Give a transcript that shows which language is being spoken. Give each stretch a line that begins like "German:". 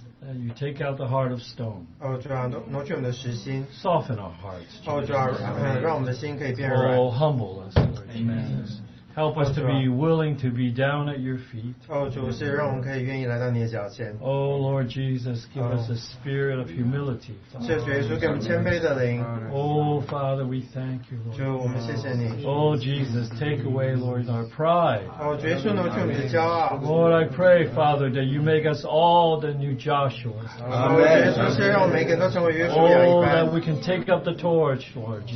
English: That you take out the heart of stone.
Chinese: 主啊，挪去我们的石心。
English: Soften our hearts.
Chinese: 主啊，让我们的心可以变软。
English: Oh, humble us, Lord. Amen. Help us to be willing to be down at your feet.
Chinese: 主是让我们可以愿意来到你的脚前。
English: Oh, Lord Jesus, give us a spirit of humility.
Chinese: 谢谢主耶稣，给我们谦卑的灵。
English: Oh, Father, we thank you, Lord.
Chinese: 主，我们谢谢你。
English: Oh, Jesus, take away, Lord, our pride.
Chinese: 主耶稣，挪去我们的骄傲。
English: Lord, I pray, Father, that you make us all the new Joshua.
Chinese: 主耶稣，让我们每个人都成为约书亚一般。
English: Oh, that we can take up the torch, Lord Jesus.